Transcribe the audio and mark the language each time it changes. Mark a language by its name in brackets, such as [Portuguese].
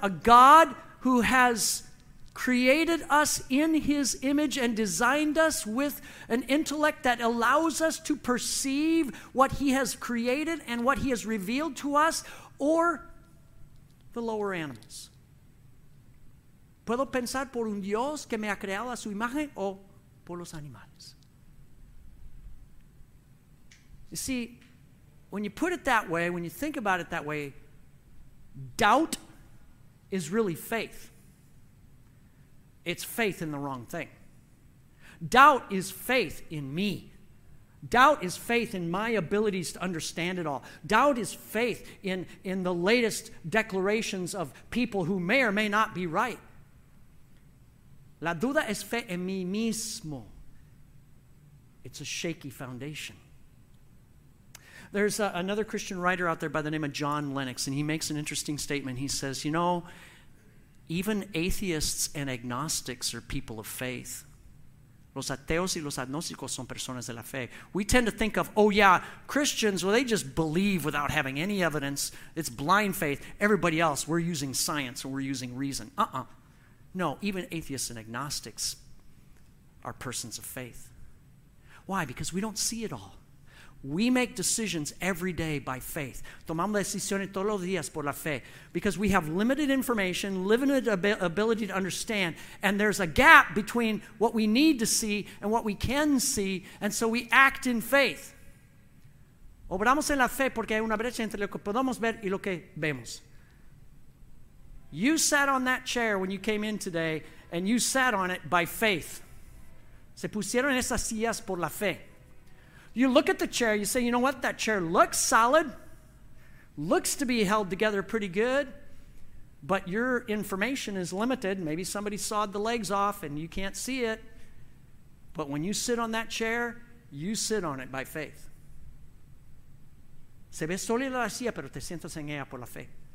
[English] A God who has created us in his image and designed us with an intellect that allows us to perceive what he has created and what he has revealed to us, or the lower animals? [Spanish] ¿Puedo pensar por un Dios que me ha creado a su imagen o por los animales? [English] You see, when you put it that way, when you think about it that way, doubt is really faith. It's faith in the wrong thing. Doubt is faith in me. Doubt is faith in my abilities to understand it all. Doubt is faith in the latest declarations of people who may or may not be right. [Spanish] La duda es fe en mí mismo. [English] It's a shaky foundation. There's another Christian writer out there by the name of John Lennox, and he makes an interesting statement. He says, you know, even atheists and agnostics are people of faith. [Spanish] Los ateos y los agnósticos son personas de la fe. [English] We tend to think of, oh yeah, Christians, well, they just believe without having any evidence. It's blind faith. Everybody else, we're using science and we're using reason. Uh-uh. No, even atheists and agnostics are persons of faith. Why? Because we don't see it all. We make decisions every day by faith. [Spanish] Tomamos decisiones todos los días por la fe. [English] Because we have limited information, limited ability to understand, and there's a gap between what we need to see and what we can see, and so we act in faith. [Spanish] Obramos en la fe porque hay una brecha entre lo que podemos ver y lo que vemos. [English] You sat on that chair when you came in today, and you sat on it by faith. [Spanish] Se pusieron esas sillas por la fe. [English] You look at the chair, you say, you know what, that chair looks solid, looks to be held together pretty good, but your information is limited. Maybe somebody sawed the legs off and you can't see it. But when you sit on that chair, you sit on it by faith. [Spanish] Se ve sólida la silla, pero te sientas en ella por la fe.